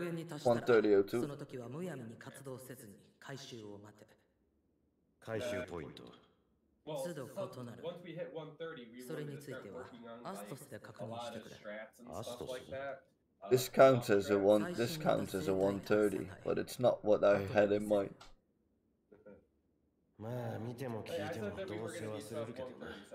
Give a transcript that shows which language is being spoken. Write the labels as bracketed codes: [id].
[ja] 限に達したら、その時はむやみに活動せずに回収を待て。回収ポイント。都度異なる。それについてはアストスで確認してくれ。アストス。 [en] This counts as a one. This counts as a 130, but it's not what I had in mind. [ja] まあ見ても聞いてもどうせ忘れるけどな。